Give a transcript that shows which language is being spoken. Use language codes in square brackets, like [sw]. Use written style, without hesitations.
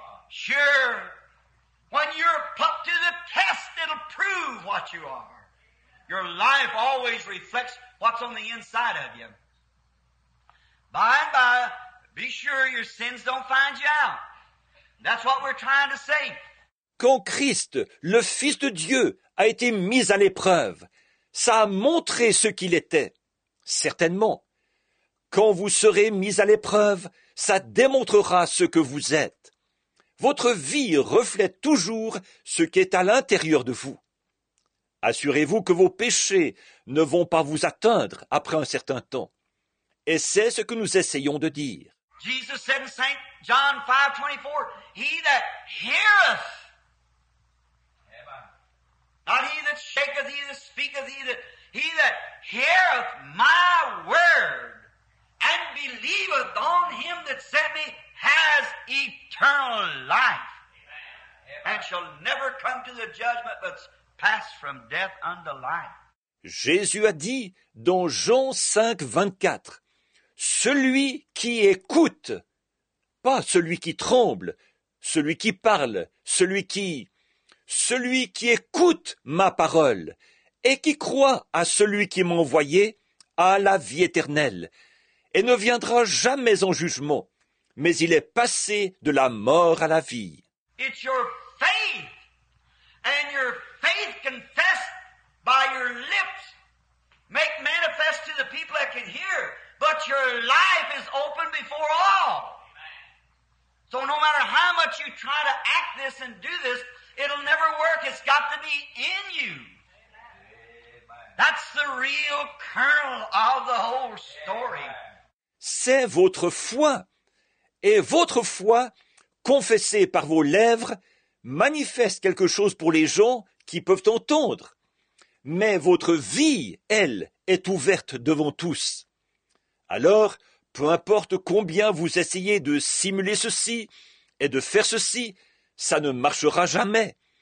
[en] Sure, when you're put to the test, it'll prove what you are. Your life always reflects what's on the inside of you. By and by, be sure your sins don't find you out. That's what we're trying to say. [fr] Quand Christ, le Fils de Dieu, a été mis à l'épreuve, ça a montré ce qu'il était. Certainement. Quand vous serez mis à l'épreuve, ça démontrera ce que vous êtes. Votre vie reflète toujours ce qui est à l'intérieur de vous. Assurez-vous que vos péchés ne vont pas vous atteindre après un certain temps. Et c'est ce que nous essayons de dire. [en] Jesus said in Saint John 5:24, he that heareth, not he that shaketh, he that speaketh, he that heareth my word, and believeth on him that sent me, has eternal life. Amen. Amen. And shall never come to the judgment, but pass from death unto life. [fr] Jésus a dit dans Jean 5, 24, celui qui écoute, pas celui qui tremble, celui qui parle, celui qui écoute ma parole, et qui croit à celui qui m'a envoyé, a la vie éternelle, et ne viendra jamais en jugement, mais il est passé de la mort à la vie. [en] It's your faith, and your faith confessed by your lips, make manifest to the people that can hear, but your life is open before all. So no matter how much you try to act this and do this, it'll never work, it's got to be in you. That's the real kernel of the whole story. [fr] C'est votre foi, et votre foi, confessée par vos lèvres, manifeste quelque chose pour les gens qui peuvent entendre. Mais votre vie, elle, est ouverte devant tous. Alors, peu importe combien vous essayez de simuler ceci et de faire ceci, ça ne marchera jamais.